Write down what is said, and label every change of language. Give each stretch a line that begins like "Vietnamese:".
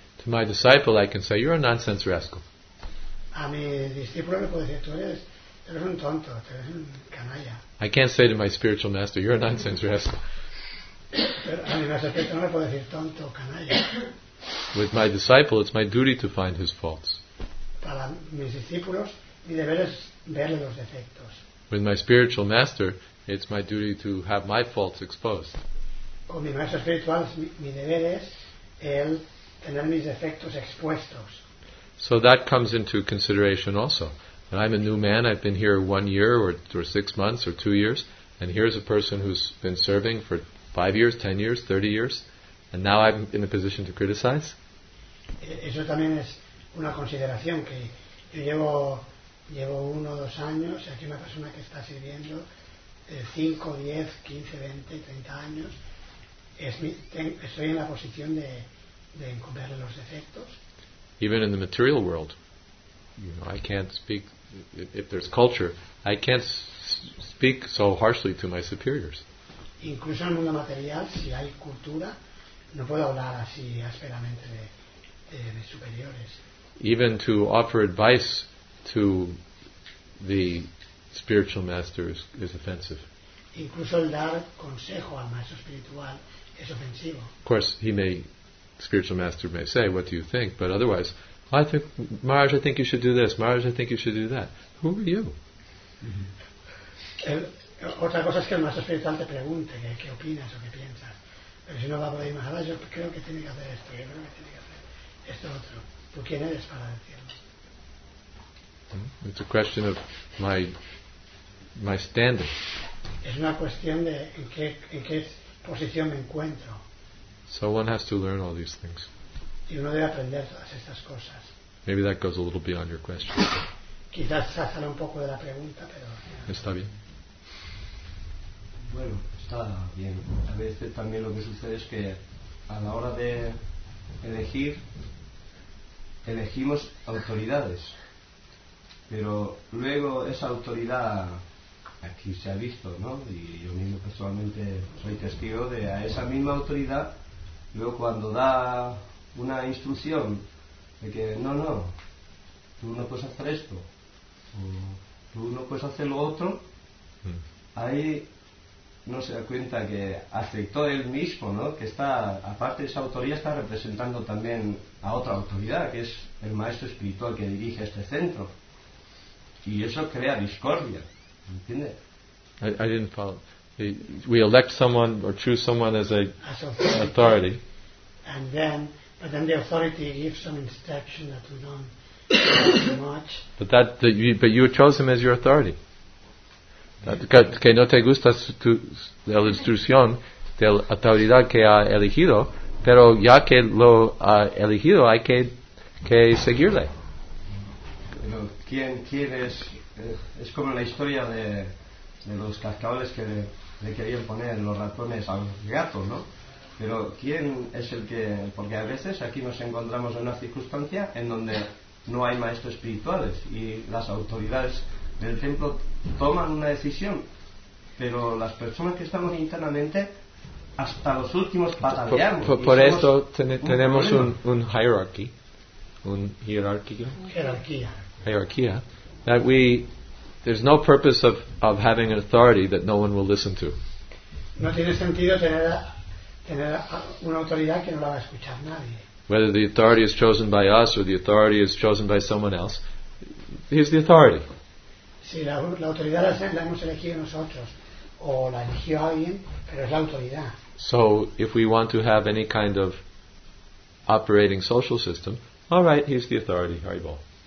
English: To my disciple, I can say, "You're a nonsense rascal."
Spanish: A mi discípulo le puedo decir, "Tú eres un tonto, tú eres un canalla."
English: I can't say to my spiritual master, "You're a nonsense rascal."
Spanish: Pero a mi maestro espiritual no le puedo decir tonto, canalla.
English: With my disciple, it's my duty to find his faults.
Spanish: Para mis discípulos, mi deber es verle los defectos.
English: With my spiritual master, it's my duty to have my faults exposed.
Spanish: Con mi maestro espiritual, mi deber es el tener mis defectos expuestos.
English: So that comes into consideration also. And I'm a new man, I've been here 1 year or 6 months or 2 years, and here's a person who's been serving for 5 years, 10 years, 30 years, and now I'm in a position to criticize.
Spanish: Eso también es una consideración, que yo llevo uno o dos años, y aquí una persona que está sirviendo 5, 10, 15, 20, 30 años, estoy en la posición de encontrarle los defectos.
English: Even in the material world, you know, I can't speak, if there's culture, I can't speak so harshly to my superiors.
Spanish: Incluso en el mundo material, si hay cultura, no puedo hablar así ásperamente de superiores.
English: Even to offer advice to the spiritual master is offensive.
Spanish: Incluso el dar consejo al maestro espiritual es ofensivo.
English: Of course, spiritual master may say, "What do you think?" But otherwise, "I think, Maharaj, I think you should do this. Maharaj, I think you should do that." Who are you?
Spanish: Otra cosa es que el maestro espiritual te pregunte qué opinas o qué piensas. Pero si no va a poder, Maharaj, yo creo que tiene que hacer esto, yo creo que tiene que hacer esto otro. ¿Tú quién eres para decirlo?
English: It's a question of my standing.
Spanish: Es una cuestión de en qué posición me encuentro.
English: So one has to learn all these things.
Spanish: Y uno debe aprender todas estas cosas.
English: Maybe that goes a little beyond your question.
Spanish: Quizás se sale un poco de la pregunta, pero... Está bien. Bueno, está bien. A veces también lo que sucede es que a la hora de elegir, elegimos autoridades. Pero luego esa autoridad... Aquí se ha visto, ¿no? Y yo mismo personalmente soy testigo de a esa misma autoridad... Luego cuando da una instrucción de que no, tú no puedes hacer esto, o tú no puedes hacer lo otro, ahí no se da cuenta que aceptó él mismo, ¿no? Que está, aparte de esa autoridad, está representando también a otra autoridad, que es el maestro espiritual que dirige este centro. Y eso crea discordia, ¿entiendes?
English: I didn't follow. We elect someone or choose someone as an authority. And then, but then the authority gives some instruction that we don't too much. But you chose him as your authority.
Spanish: Que no te gusta la instrucción de la autoridad que ha elegido, pero ya que lo ha elegido, hay que seguirle. Pero quién quiere es como la historia de los cascabeles que le querían poner los ratones al gato, ¿no? Pero ¿quién es el que...? Porque a veces aquí nos encontramos en una circunstancia en donde no hay maestros espirituales y las autoridades del templo toman una decisión, pero las personas que estamos internamente hasta los últimos batallamos. Por esto tenemos un hierarchy, un hierarquía. Hierarquía.
English: That we, there's no purpose of having an authority that no one will listen to.
Spanish: No tiene sentido tener una autoridad que no la va a escuchar nadie.
English: Whether the authority is chosen by us or the authority is chosen by someone else, here's the authority.
Spanish: Si la autoridad la hemos elegido nosotros o la eligió alguien, pero es la autoridad.
English: So if we want to have any kind of operating social system, all right, here's the authority, Haribol.